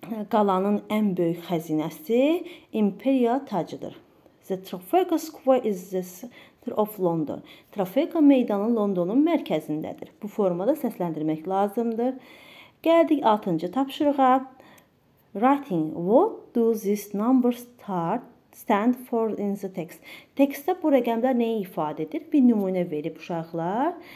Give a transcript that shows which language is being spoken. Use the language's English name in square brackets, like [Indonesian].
[Azerbaijani] Qalanın ən böyük xəzinəsi imperial tacıdır. [English] The Trafalgar Square is the center of London. [Azerbaijani] Trafalgar meydanı Londonun mərkəzindədir. Bu formada səsləndirmək lazımdır. Gəldik 6-cı tapşırığa. Writing. [English] What do these numbers stand for in the text? [Azerbaijani] Textdə bu rəqəmlər nəyi ifadə edir? Bir nümunə verib uşaqlar.